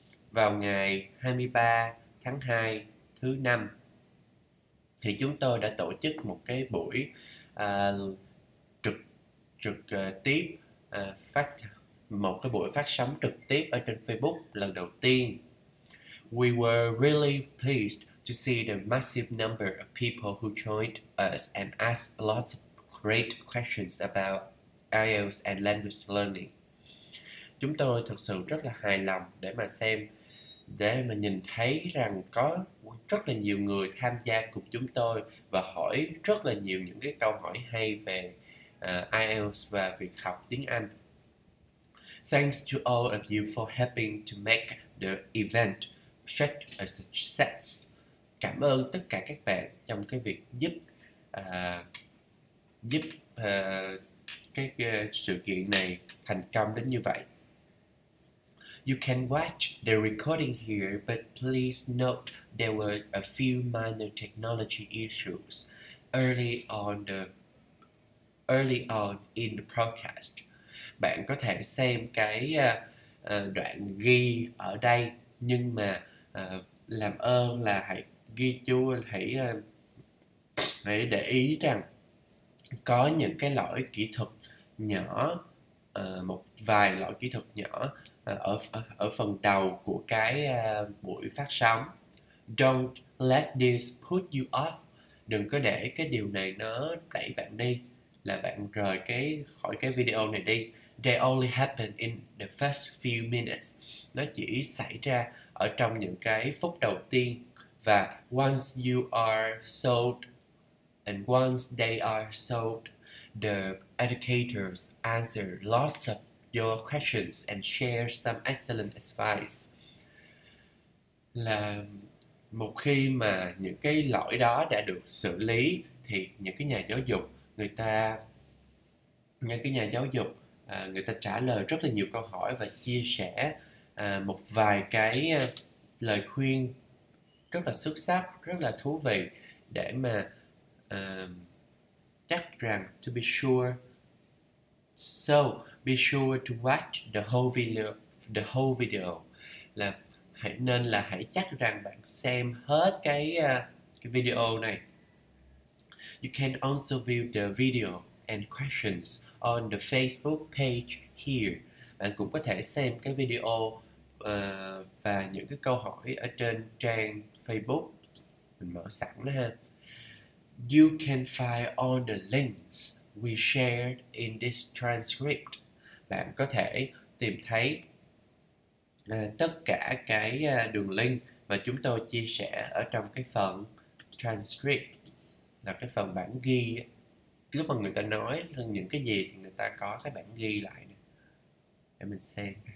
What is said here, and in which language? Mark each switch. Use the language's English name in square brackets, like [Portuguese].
[Vietnamese] Vào ngày 23 tháng 2 thứ năm thì chúng tôi đã tổ chức một cái buổi trực tiếp một cái buổi phát sóng trực tiếp ở trên Facebook lần đầu tiên. [English] We were really pleased to see the massive number of people who joined us and asked lots of great questions about IELTS and language learning. [Vietnamese] Chúng tôi thật sự rất là hài lòng để mà xem, để mà nhìn thấy rằng có rất là nhiều người tham gia cùng chúng tôi và hỏi rất là nhiều những cái câu hỏi hay về IELTS và việc học tiếng Anh. [English] Thanks to all of you for helping to make the event such a success. [Vietnamese] Cảm ơn tất cả các bạn trong cái việc giúp giúp cái sự kiện này thành công đến như vậy. [English] You can watch the recording here, but please note there were a few minor technology issues early on in the broadcast. [Vietnamese] Bạn có thể xem cái đoạn ghi ở đây, nhưng mà làm ơn là hãy ghi chú, hãy để ý rằng có những cái lỗi kỹ thuật nhỏ, một vài lỗi kỹ thuật nhỏ ở phần đầu của cái buổi phát sóng. [English] Don't let this put you off. [Vietnamese] Đừng có để cái điều này nó đẩy bạn đi, là bạn rời khỏi cái video này đi. [English] They only happen in the first few minutes. [Vietnamese] Nó chỉ xảy ra ở trong những cái phút đầu tiên, và [English] once you are sold and once they are sold, the educators answer lots of your questions and share some excellent advice. [Vietnamese] Là một khi mà những cái lỗi đó đã được xử lý thì những cái nhà giáo dục người ta trả lời rất là nhiều câu hỏi và chia sẻ một vài cái lời khuyên rất là xuất sắc, rất là thú vị để mà chắc rằng [English] to be sure. So, be sure to watch the whole video. [Vietnamese] Là hãy nên là hãy chắc rằng bạn xem hết cái video này. [English] You can also view the video and questions on the Facebook page here. [Vietnamese] Bạn cũng có thể xem cái video và những cái câu hỏi ở trên trang Facebook mình mở sẵn đó ha. [English] You can find all the links we shared in this transcript. [Vietnamese] Bạn có thể tìm thấy tất cả cái đường link mà chúng tôi chia sẻ ở trong cái phần transcript, là cái phần bản ghi. Lúc mà người ta nói những cái gì thì người ta có cái bản ghi lại này. Để mình xem.